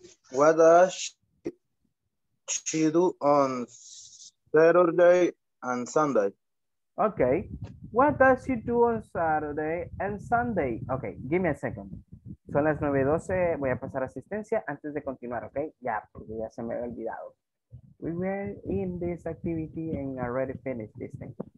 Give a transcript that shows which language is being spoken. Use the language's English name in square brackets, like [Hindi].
[English] What does she do on Saturday and Sunday? Okay. What does she do on Saturday and Sunday? Okay, give me a second. [Spanish] Son las 9:12. Voy a pasar asistencia antes de continuar, okay? Ya, porque ya se me había olvidado. [English] We were in this activity and already finished this thing.